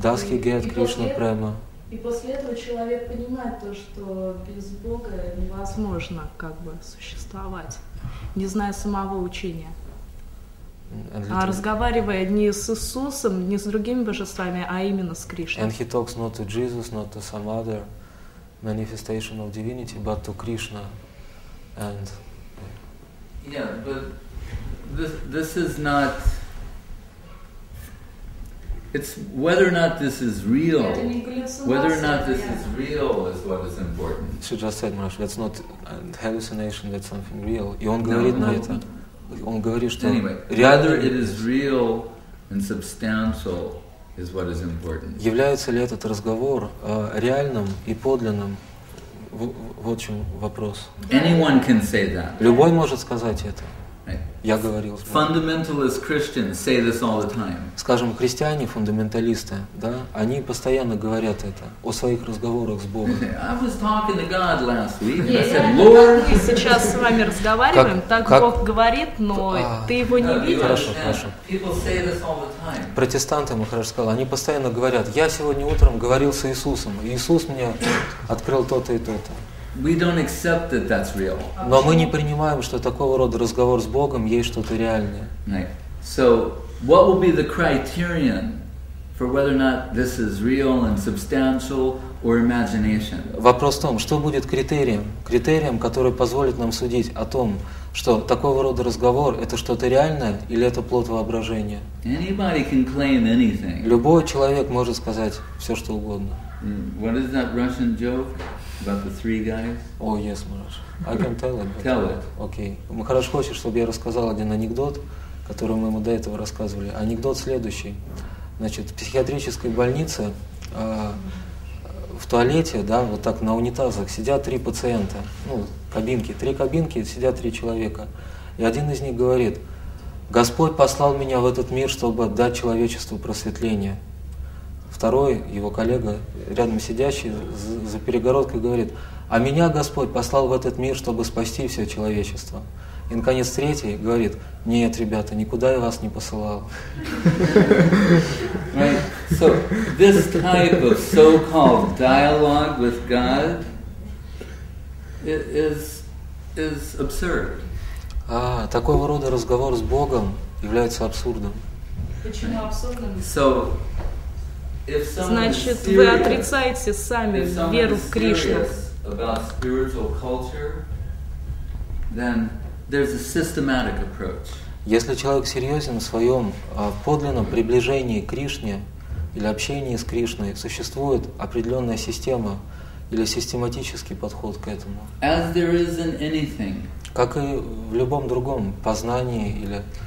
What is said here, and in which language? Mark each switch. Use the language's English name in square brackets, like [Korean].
[English] does he get Krishna prema? [Russian] И после этого человек понимает то, что без Бога невозможно как бы существовать, не зная самого учения. А разговаривая не с Иисусом, не с другими божествами, а именно с Кришной. [English] And he talks not to Jesus, not to some other manifestation of divinity, but to Krishna. And yeah, but this is not. It's whether or not this is real. Whether or not this is real is what is important. She just said, Marash, that's not a hallucination. That's something real. [Russian] И он говорит на это. Он говорит, что [English] whether it is real and substantial is what is important. [Russian] Является ли этот разговор реальным и подлинным? Вот в чем вопрос. [English] Anyone can say that. [Russian] Любой может сказать это. Я говорил. [English] Fundamentalist Christians say this all the time. [Russian] Скажем, христиане, фундаменталисты, да, они постоянно говорят это о своих разговорах с Богом. [English] I was talking to God last week. Yeah, I said, Lord. [Russian] Мы сейчас с вами разговариваем, Бог говорит, но ты его не видишь. Хорошо. [English] People say this all the time. [Russian] Протестанты, мы хорошо сказали, они постоянно говорят: я сегодня утром говорил с Иисусом, и Иисус мне открыл то-то и то-то. [English] We don't accept that that's real. [Russian] Но мы не принимаем, что такого рода разговор с Богом есть что-то реальное. [English] Right. So, what will be the criterion for whether or not this is real and substantial or imagination? Вопрос в том, что будет критерием, который позволит нам судить о том, что такого рода разговор это что-то реальное или это плод воображения? Anybody can claim anything. Любой человек может сказать все что угодно. What is that Russian joke? About the three guys? Oh yes, Marash. I can tell it. Tell it. Okay. [Russian] Marash хочет, чтобы я рассказал один анекдот, который мы ему до этого рассказывали. Анекдот следующий. Значит, в психиатрической больнице в туалете, да, вот так на унитазах сидят три пациента. Ну, кабинки. Три кабинки, сидят три человека. И один из них говорит: Господь послал меня в этот мир, чтобы дать человечеству просветление. Второй, его коллега, рядом сидящий, за перегородкой говорит: «А меня Господь послал в этот мир, чтобы спасти все человечество». И, наконец, третий говорит: «Нет, ребята, никуда я вас не посылал». [English] Right? So, this type of so-called dialogue with God is absurd. [Russian] Такого рода разговор с Богом является абсурдным. Почему абсурдным? [English] So, [Russian] значит, вы отрицаете сами веру в Кришну. [English] About spiritual culture, then there's a systematic approach. [Russian] Если человек серьезен в своем подлинном приближении к Кришне или общении с Кришной, существует определенная система или систематический подход к этому. [English] As there is in anything. [Russian] Как и в любом другом познании или